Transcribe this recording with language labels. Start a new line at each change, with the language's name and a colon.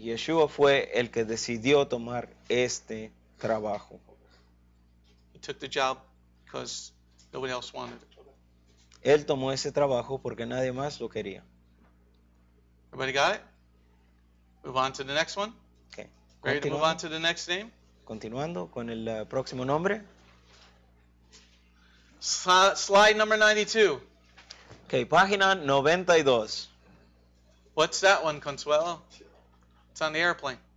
Spanish: Yeshua fue el que decidió tomar este trabajo.
English: He took the job because nobody else wanted it.
Spanish: Él tomó ese trabajo porque nadie más lo quería.
English: Everybody got it? Move on to the next one. Okay. Ready to move on to the next name?
Spanish: Continuando con el próximo nombre.
English: Slide number 92.
Spanish: Okay, página 92.
English: What's that one, Consuelo? It's on the airplane.